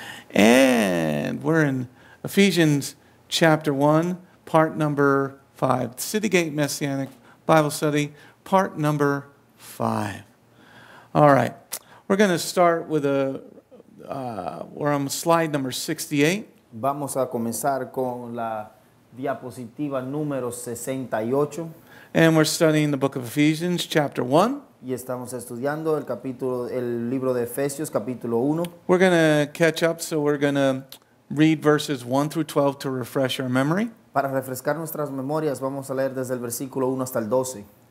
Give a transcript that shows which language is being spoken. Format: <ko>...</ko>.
<en>And we're in Ephesians chapter 1, part number 5, City Gate Messianic Bible Study, part number 5. All right, we're going to start with we're on slide number 68.</en> <es>Vamos a comenzar con la diapositiva número 68.</es> <en>And we're studying the book of Ephesians, chapter 1.</en> <es>Y estamos estudiando el capítulo, el libro de Efesios, capítulo 1.</es> <en>We're going to catch up, so we're going to read verses 1 through 12 to refresh our memory.</en> <es>Para refrescar nuestras memorias, vamos a leer desde el versículo 1 hasta el 12.</es>